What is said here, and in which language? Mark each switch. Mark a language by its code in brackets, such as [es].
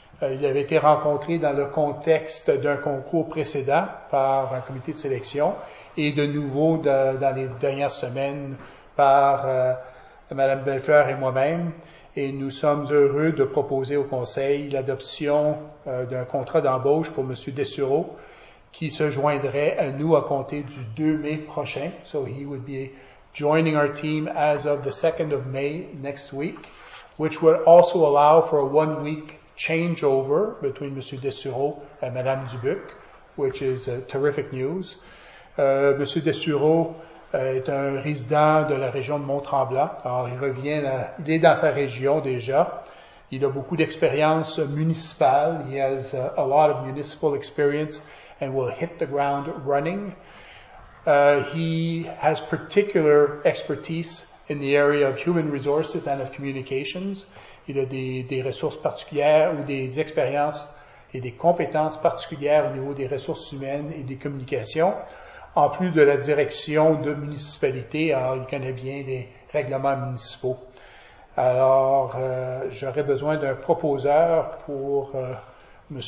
[fr] Il avait été rencontré dans le contexte d'un concours précédent par un comité de sélection et de nouveau dans les dernières semaines par Mme Belfleur et moi-même. Et nous sommes heureux de proposer au Conseil l'adoption d'un contrat d'embauche pour M. Dessureau qui se joindrait à nous à compter du 2 mai prochain. [en] So he would be joining our team as of the 2nd of May next week, which would also allow for a one-week changeover between M. Dessureau and Mme Dubuc, which is terrific news. [fr] M. Dessureau est un résident de la région de Mont-Tremblant. Alors, il est dans sa région déjà. Il a beaucoup d'expérience municipale. [en] He has a lot of municipal experience and will hit the ground running. He has particular expertise in the area of human resources and of communications. [fr] Il a des ressources particulières ou des expériences et des compétences particulières au niveau des ressources humaines et des communications. En plus de la direction de municipalité, alors il connaît bien les règlements municipaux. Alors, j'aurais besoin d'un proposeur pour M.